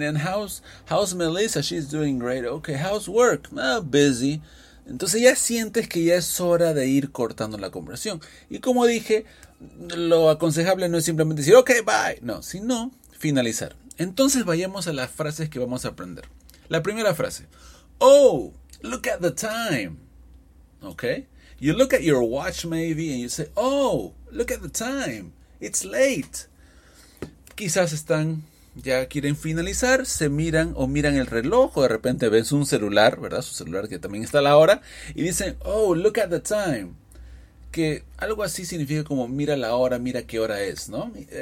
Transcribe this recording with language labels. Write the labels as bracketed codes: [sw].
[en] And how's Melissa? She's doing great. Okay, how's work? Busy. [es] Entonces ya sientes que ya es hora de ir cortando la conversación. Y como dije, lo aconsejable no es simplemente decir, ok, bye. No, sino finalizar. Entonces vayamos a las frases que vamos a aprender. La primera frase. [en] Oh, look at the time. Ok. You look at your watch maybe and you say, oh, look at the time. It's late. [es] Quizás están, ya quieren finalizar, se miran o miran el reloj o de repente ven su celular, ¿verdad? Su celular que también está a la hora y dicen, [en] oh, look at the time. [es] Que algo así significa como mira la hora, mira qué hora es, ¿no?